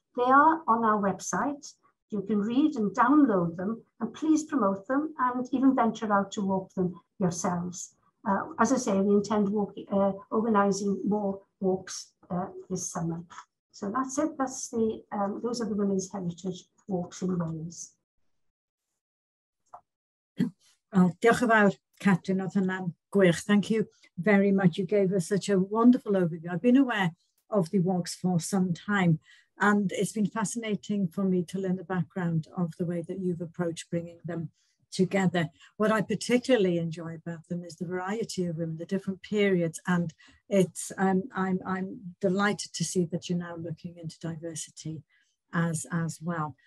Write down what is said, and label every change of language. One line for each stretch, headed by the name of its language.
English: They are on our website. You can read and download them, and please promote them and even venture out to walk them yourselves. As I say, we intend organising more walks this summer. So that's it. That's the those are the Women's Heritage Walks in Wales.
Welsh: Well, diolch yn fawr, Catrin, oedd hwnna'n gwych.
English: Thank you very much. You gave us such a wonderful overview. I've been aware of the walks for some time, and it's been fascinating for me to learn the background of the way that you've approached bringing them together. What I particularly enjoy about them is the variety of women, the different periods, and I'm delighted to see that you're now looking into diversity as well.